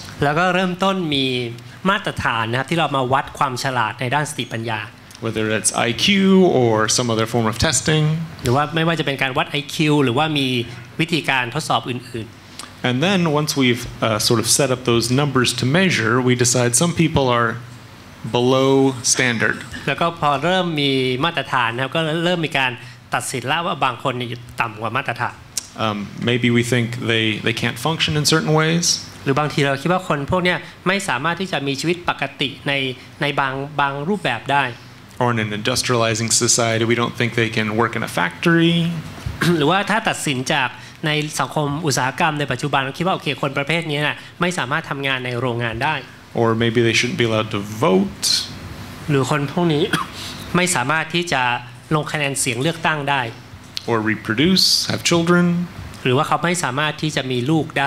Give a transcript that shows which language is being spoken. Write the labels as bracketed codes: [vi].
[th] แล้วก็เริ่มต้นมีมาตรฐานนะครับที่เรามาวัดความฉลาดในด้านสติปัญญา [en] Whether it's IQ or some other form of testing. [th] หรือว่าไม่ว่าจะเป็นการวัด IQ หรือว่ามีวิธีการทดสอบอื่น [en] ๆ And then once we've sort of set up those numbers to measure, we decide some people are below standard. [th] แล้วก็พอเริ่มมีมาตรฐานนะครับก็เริ่มมีการตัดสินแล้วว่าบางคนต่ำกว่ามาตรฐาน [en] maybe we think they can't function in certain ways [th] หรือบางทีเราคิดว่าคนพวกนี้ไม่สามารถที่จะมีชีวิตปกติในบางรูปแบบได้ [en] or in an industrializing society we don't think they can work in a factory [th] หรือว่าถ้าตัดสินจากในสังคมอุตสาหกรรมในปัจจุบันเราคิดว่าโอเคคนประเภทนี้น่ะไม่สามารถทำงานในโรงงานได้ [en] or maybe they shouldn't be allowed to vote [th] หรือคนพวกนี้ไม่สามารถที่จะลงคะแนนเสียงเลือกตั้งได้ [en] or reproduce have children [th] หรือว่าเขาไม่สามารถที่จะมีลูกได